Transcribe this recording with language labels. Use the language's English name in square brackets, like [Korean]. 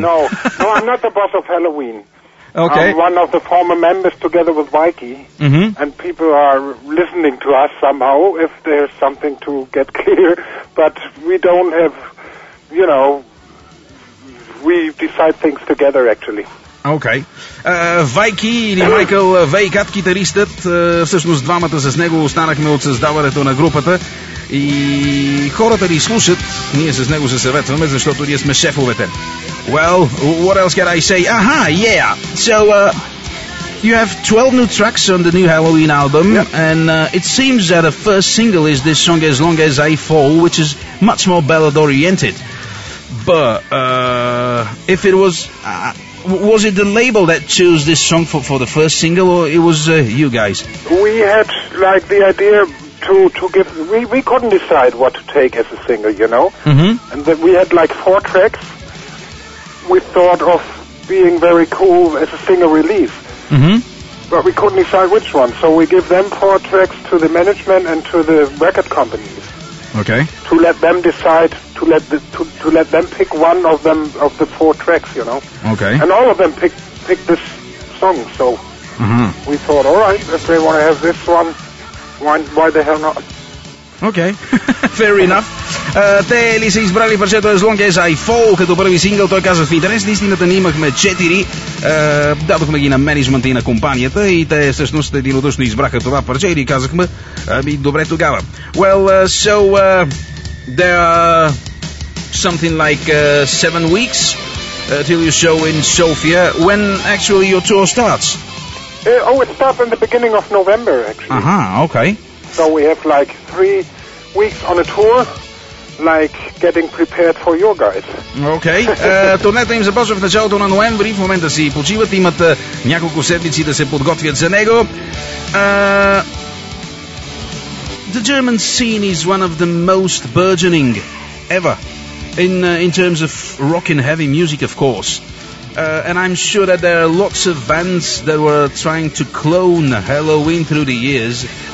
[English] No, I'm not the boss of Helloween. Okay. I'm one of the former members together with Vicky. Mm-hmm. And people are listening to us somehow, if there's something to get clear. But we don't have, you know, we decide things together actually. [Bulgarian] Окей. Вайки или Майкъл Вейкат, китаристът, всъщност двамата с него останахме от създаването на групата и хората ни слушат, ние с него се съветваме, защото ние сме шефовете. [English] Well, what else can I say? Aha, yeah! So, you have 12 new tracks on the new Helloween album, yep. And it seems that the first single is this song As Long As I Fall, which is much more ballad-oriented. But, if it was... Was it the label that chose this song for the first single, or it was you guys? We had like the idea to give. We couldn't decide what to take as a single, you know. Mm-hmm. And then we had like four tracks. We thought of being very cool as a single release. Mm-hmm. But we couldn't decide which one, so we give them four tracks to the management and to the record companies. Okay. To let them decide. To let them pick one of them of the four tracks, you know. Okay. And all of them picked this song, so mm-hmm. We thought, all right, if they want to have this one, why the hell not? Okay, fair enough. [Bulgarian] Те ли са избрали парчето As Long As I Fall като първи сингъл, той каза в интерес. Истината ни имахме 4, дадохме ги на менеджмента и на компанията и те всъщност единодушно избраха това парче и ни казахме, добре тогава. [English] Well, there are something like 7 weeks till your show in Sofia. When actually your tour starts? It starts in the beginning of November, actually. Aha, okay. So we have like 3 weeks on a tour, like getting prepared for your guys. Okay. [Bulgarian] Турнето им започва в началото на ноември. В момента си почиват. Имат няколко седмици да се подготвят за него. [English] The German scene is one of the most burgeoning ever in terms of rock and heavy music, of course. And I'm sure that there are lots of bands that were trying to clone Helloween through the years.